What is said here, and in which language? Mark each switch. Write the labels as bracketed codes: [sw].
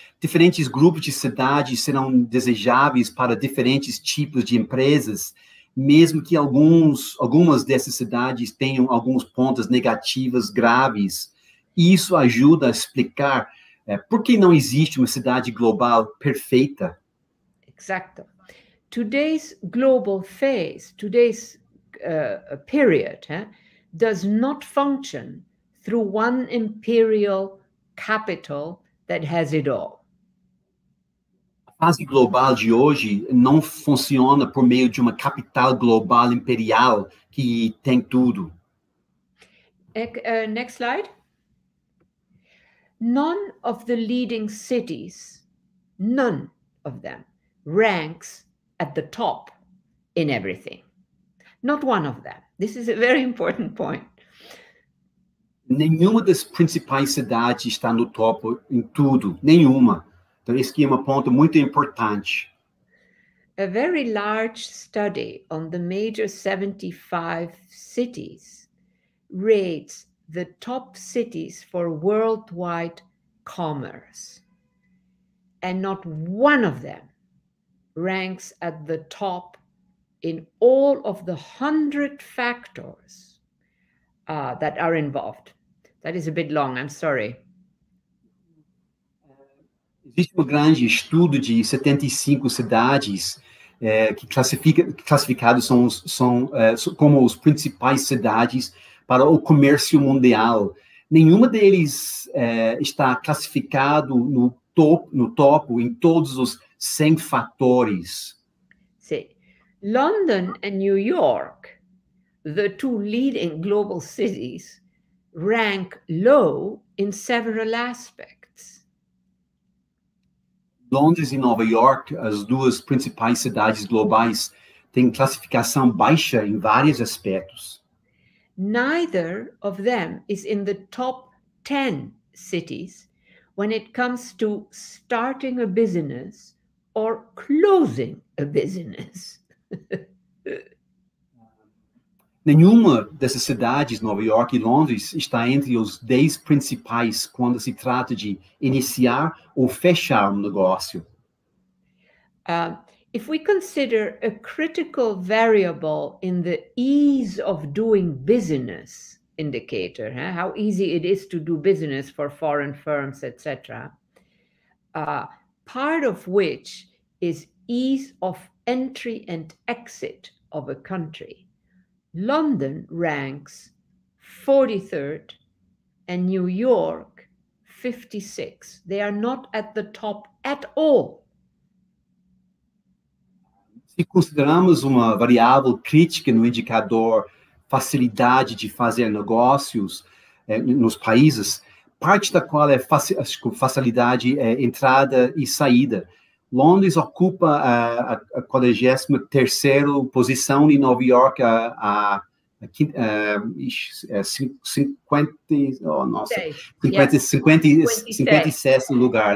[pt] Diferentes grupos de cidades serão desejáveis para diferentes tipos de empresas, mesmo que algumas dessas cidades tenham algumas pontas negativas graves. Isso ajuda a explicar por que não existe uma cidade global perfeita. Exato. [en] Today's global phase, today's period, does not function through one imperial capital that has it all. [pt] A fase global de hoje não funciona por meio de uma capital global imperial que tem tudo. [en] Next slide. None of the leading cities, none of them, ranks at the top in everything. Not one of them. This is a very important point. [pt] Nenhuma das principais cidades está no topo em tudo. Nenhuma. Então, esse aqui é um ponto muito importante. [en] A very large study on the major 75 cities rates the top cities for worldwide commerce. And not one of them ranks at the top in all of the 100 factors that are involved. That is a bit long, I'm sorry. [pt] Existe um grande estudo de 75 cidades que classificados como as principais cidades para o comércio mundial. Nenhuma deles está classificado no topo em todos os 100 fatores. Sim. [en] London and New York, the two leading global cities, rank low in several aspects. [pt] Londres e Nova York, as duas principais cidades globais, têm classificação baixa em vários aspectos. [en] Neither of them is in the top 10 cities when it comes to starting a business or closing a business. [pt] Nenhuma dessas cidades, Nova York e Londres, está entre os 10 principais quando se trata de iniciar ou fechar negócio. [en] If we consider a critical variable in the ease of doing business indicator, how easy it is to do business for foreign firms, etc., part of which is ease of entry and exit of a country, London ranks 43rd and New York 56th. They are not at the top at all. [pt] Se consideramos uma variável crítica no indicador facilidade de fazer negócios nos países, parte da qual é facilidade é entrada e saída. Londres ocupa a 43ª posição e Nova York a 57º lugar.